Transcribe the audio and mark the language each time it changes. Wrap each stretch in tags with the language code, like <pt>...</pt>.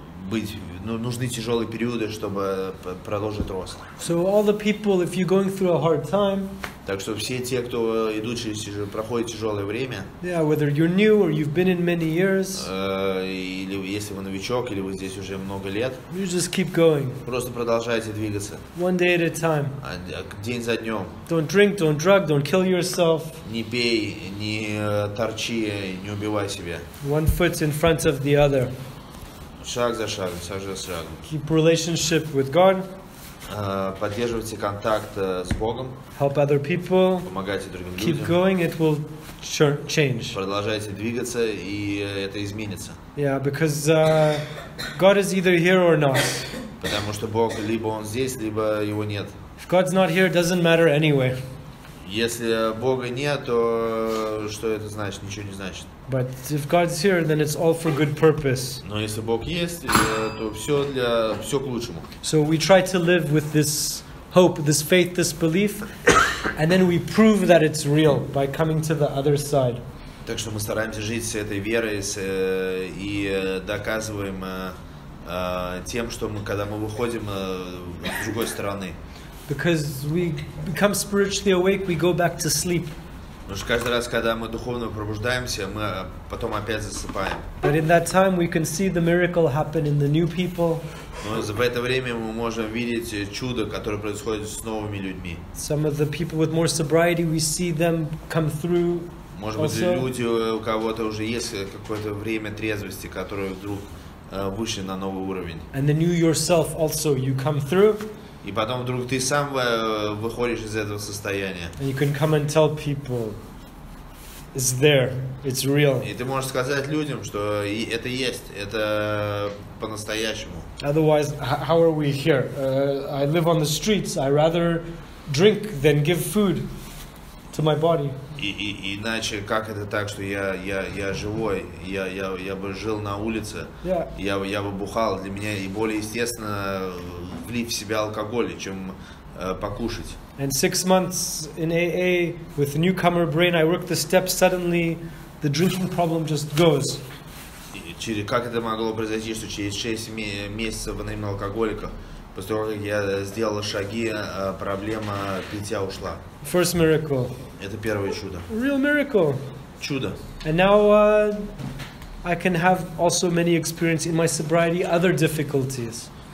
<ru>быть, ну, нужны тяжелые периоды, чтобы продолжить рост.</ru> <en>So all the people, if you're going through a hard time,</en> <ru>так что все те, кто идут через тяжелое, проходит тяжелое время,</ru> <en>yeah, whether you're new or you've been in many years,</en> <ru>или если вы новичок, или вы здесь уже много лет,</ru> <en>you just keep going.</en> <ru>Просто продолжайте двигаться.</ru> <en>One day at a time.</en> <ru>День за днем.</ru> <en>Don't drink, don't drug, don't kill yourself.</en> <ru>Не пей, не торчи, не убивай себя.</ru> <en>One foot in front of the other.</en> <ru>Шаг за шагом, шаг за шагом.</ru> <en>Keep relationship with God.</en> <ru>Поддерживайте контакт с Богом.</ru> <en>Help other people.</en> <ru>Помогайте другим</ru> <en>Keep Keep going, it will change.</en> <ru>Продолжайте двигаться, и это изменится.</ru> <en>Yeah, because God is either here or not.</en> <ru>Потому что Бог либо он здесь, либо его нет.</ru> <en>If God's not here, it doesn't matter anyway.</en> <ru>Если Бога нет, то что это значит? Ничего не значит.</ru> <en>But if God's here, then it's all for good purpose.</en> <ru>Но если Бог есть, то все для все к лучшему.</ru> <en>So we try to live with this hope, this faith, this belief, and then we prove that it's real by coming to the other side.</en> <ru>Так что мы стараемся жить с этой верой и доказываем тем, что мы, когда мы выходим с другой стороны.</ru> <en>Because we become spiritually awake, we go back to sleep.</en> <ru>Потому что каждый раз, когда мы духовно пробуждаемся, мы потом опять засыпаем.</ru> <en>But in that time we can see the miracle happen in the new people.</en> <ru>Но в это время мы можем видеть чудо, которое происходит с новыми людьми.</ru> <en>Some of the people with more sobriety, we see them come through.</en> <ru>Может быть, люди, у кого-то уже есть какое-то время трезвости, которые вдруг вышли на новый уровень.</ru> <en>And the new yourself also, you come through.</en> <ru>И потом вдруг ты сам выходишь из этого состояния.</ru> <en>And you can come and tell people, it's there, it's real.</en> <ru>И ты можешь сказать людям, что это есть, это по-настоящему.</ru> <en>Otherwise, how are we here? I live on the streets. I rather drink than give food to my body.</en> <ru>Иначе как это так, что я живой, я бы жил на улице, я бы бухал, для меня и более естественно влить в себя алкоголь, чем покушать.</ru> <en>And 6 months in AA with newcomer brain, I work the steps, suddenly the drinking problem just goes.</en> <ru>Как это могло произойти, что через 6 месяцев в анонимном алкоголике, после того, как я сделал шаги, проблема питья ушла?</ru> <en>First miracle.</en> <ru>Это первое чудо.</ru> <en>Real miracle.</en> <ru>Чудо.</ru> <en>And now I can have also many experiences in my sobriety, other difficulties.</en>